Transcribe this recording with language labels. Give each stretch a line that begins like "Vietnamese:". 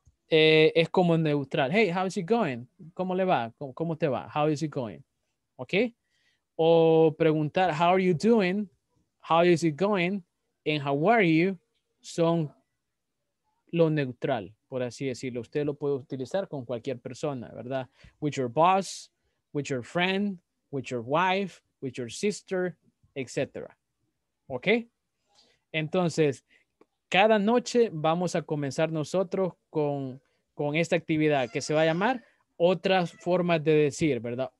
Spanish: es como neutral.
English: Hey, how is it going?
Spanish: ¿Cómo le va? ¿Cómo te va?
English: How is it going?
Spanish: ¿Ok? O preguntar,
English: how are you doing? How is it going? And how are you?
Spanish: Son lo neutral, por así decirlo. Usted lo puede utilizar con cualquier persona, ¿verdad?
English: With your boss, with your friend, with your wife, with your sister, etc. ¿Ok?
Spanish: Entonces, cada noche vamos a comenzar nosotros con esta actividad que se va a llamar otras formas de decir, ¿verdad?